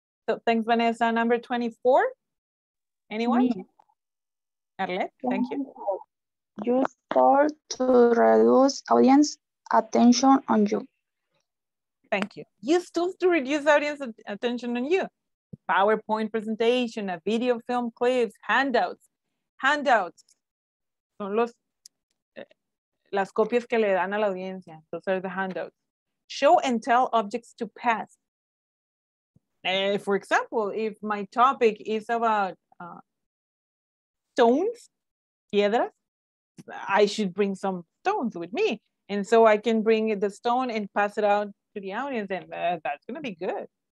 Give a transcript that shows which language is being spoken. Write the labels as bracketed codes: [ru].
[en] So thanks, Vanessa. Number 24. Anyone? Me. Arlette, thank you. You start to reduce audience attention on you. Thank you. Use tools to reduce audience attention on you. PowerPoint presentation, a video film clips, handouts. [es] Handouts son las copias que le dan a la audiencia. [en] Those are the handouts. Show and tell objects to pass. For example, if my topic is about stones, piedras, I should bring some stones with me. And so I can bring the stone and pass it out to the audience, and that's going to be good.